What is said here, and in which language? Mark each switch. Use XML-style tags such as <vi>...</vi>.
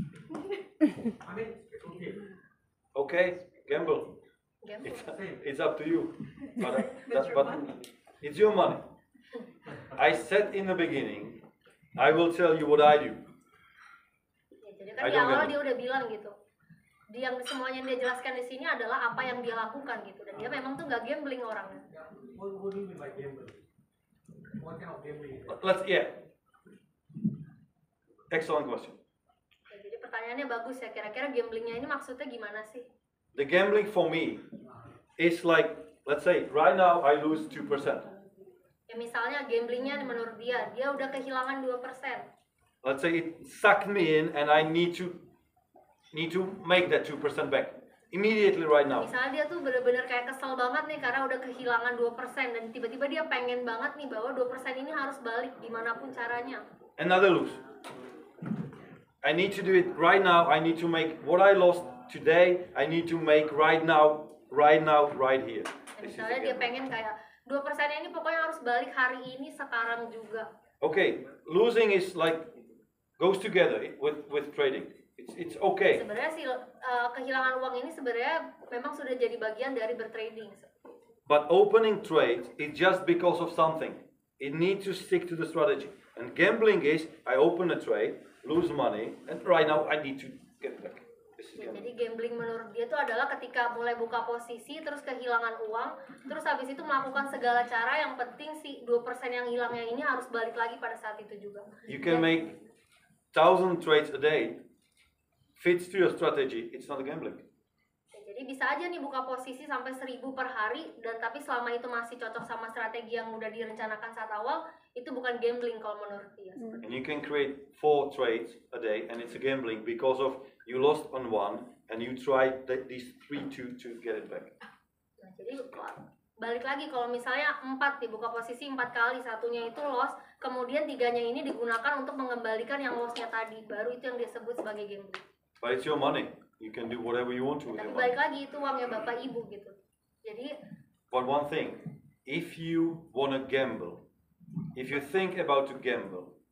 <en>I mean, it's okay. Okay, gamble. Gamble. It's up to you. But that's your money. It's your money. I said in the beginning, I will tell you what I do.</en> <id>Jadi kan di awal dia udah bilang gitu. Dia yang semuanya dia jelaskan di sini adalah apa yang dia lakukan gitu. Dan dia memang tuh enggak gambling orangnya.</id> <en>What do you mean by gambling? What kind of gambling? Excellent question.</en> <id>Ya, jadi pertanyaannya bagus ya. Kira-kira gamblingnya ini maksudnya gimana sih?</id> <en>The gambling for me is like, let's say right now I lose 2%.</en> <id>Ya misalnya gamblingnya menurut dia udah kehilangan 2%.</id> <en>Let's say it sucked me in and I need to make that 2% back immediately right now.</en> <id>Misalnya dia tuh benar-benar kayak kesel banget nih karena udah kehilangan 2% dan tiba-tiba dia pengen banget nih bahwa 2% ini harus balik dimanapun caranya.</id> <en>Another lose. I need to do it right now. I need to make what I lost today, I need to make right now, right here.</en> <id>Misalnya dia pengen kayak 2% ini pokoknya harus balik hari ini sekarang juga.</id> <en>Okay, losing is like goes together with trading. It's okay.</en> <id>Sebenarnya sih kehilangan uang ini sebenarnya memang sudah jadi bagian dari bertrading.</id> <en>But opening trade is just because of something. It needs to stick to the strategy. And gambling is I open a trade, lose money, and right now I need to get back.</en> <id>Jadi gambling menurut dia itu adalah ketika mulai buka posisi terus kehilangan uang, terus habis itu melakukan segala cara, yang penting si 2% yang hilangnya ini harus balik lagi pada saat itu juga.</id> <en>You can make 1000 trades a day fits to your strategy, it's not gambling.</en> <id>Jadi bisa aja nih buka posisi sampai 1000 per hari, dan tapi selama itu masih cocok sama strategi yang udah direncanakan saat awal, itu bukan gambling kalau menurut dia.</id> <en>And you can create 4 trades a day and it's a gambling because of you lost on one and you try these 3-2 to get it back.</en> <id>Jadi balik lagi kalau misalnya 4 dibuka posisi 4 kali, satunya itu loss, kemudian tiganya ini digunakan untuk mengembalikan yang lossnya tadi, baru itu yang disebut sebagai gambling.</id> <en>But it's your money. You can do whatever you want to.</en> <id>Tapi balik lagi itu uangnya bapak ibu gitu. Jadi.</id> <en>But one thing, if you wanna gamble, if you think about to gamble.</en>